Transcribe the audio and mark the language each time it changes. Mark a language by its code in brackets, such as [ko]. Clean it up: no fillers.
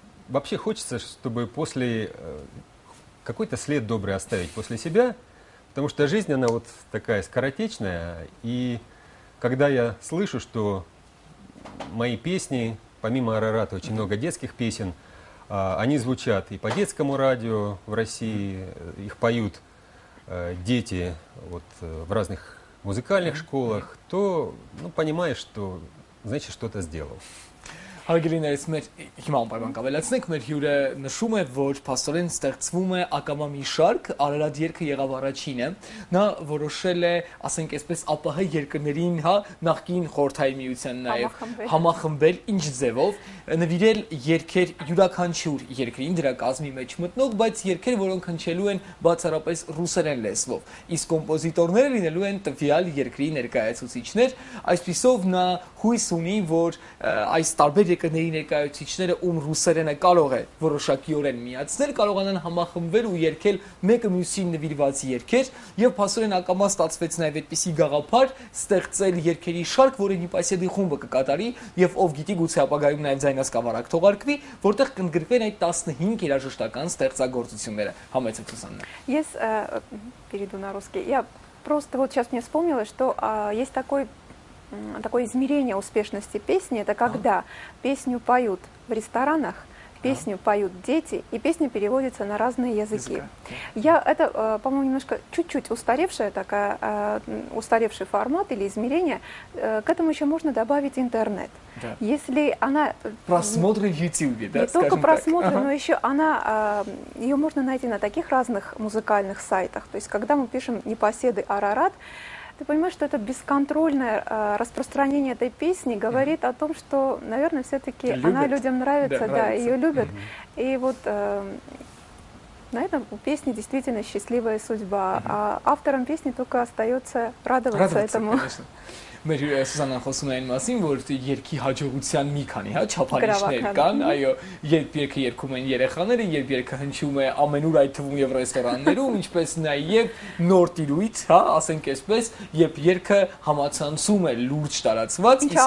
[ru] Вообще хочется, чтобы после... Какой-то след добрый оставить после себя, потому что жизнь, она вот такая скоротечная, и когда я слышу, что мои песни, помимо «Арарата», очень много детских песен, они звучат и по детскому радио в России, их поют дети вот в разных музыкальных школах, то, ну, понимаешь, что, значит, что-то сделал. [hy] Հարգելի ես մեր հիմալ պայմանկավելացնենք, մեր հյուրը նշում է, որ պաստորեն ստեղծվում է ակամա մի շարք, Արարատ երգը եղավ առաջինը, նա որոշել է, ասենք եսպես ԱՊՀ երկրներին, հա, նախկին խորհրդային միության նաև համախմբել, ինչ ձևով, նվիրել երգեր յուրաքանչյուր երկրին դրա կազմի մեջ մտնող, բայց երգեր, որոնք հնչելու են բացառապես ռուսերեն լեզվով, իսկ կոմպոզիտորները լինելու են տվյալ երկրի ներկայացուցիչներ, այսպիսով նա հույս ունի, որ այս երկրների ներկայացուցիչները, ում ռուսերենը կարող է որոշակիորեն միացնել, կարողանան համախմբել ու երգել մեկը մյուսին նվիրված երգեր, և փաստորեն ակամա ստացվեց նաև այդպիսի գաղափար ստեղծել երգերի շարք, որը «Նիպասեդի» խումբը կկատարի, և ով գիտի, գուցե ապագայում նաև ձայնասկավառակ թողարկվի, որտեղ կընդգրկվեն այդ 15 երաժշտական ստեղծագործությունները, համեցեք ուսանել։ Ես [ru] перейду на русский. Я просто вот сейчас мне вспомнилось, что есть такое измерение успешности песни – это когда песню поют в ресторанах, песню поют дети, и песня переводится на разные языки. Это, по-моему, немножко чуть-чуть устаревшая такая, устаревший формат или измерение. К этому еще можно добавить интернет. Да. Если она... Просмотры в YouTube, да, не только просмотры, так. Но еще она... Ее можно найти на таких разных музыкальных сайтах. То есть когда мы пишем «Непоседы», «Арарат», ты понимаешь, что это бесконтрольное распространение этой песни говорит о том, что, наверное, все-таки она людям нравится, нравится. Ее любят. И вот на этом у песни действительно счастливая судьба. А авторам песни только остается радоваться этому. Конечно. [hy] Մեր Սուզաննան խոսում է այն մասին, որ երգի հաջողության մի քանի չափանիշներ կան, այո, երբ երգը երգում են երեխաները, երբ երգը հնչում է ամենուր, այդ թվում և ռեստորաններում, ինչպես նաև նոր տիրույթ, հա, ասենք այսպես, երբ երգը համացանցում է լուրջ տարածված,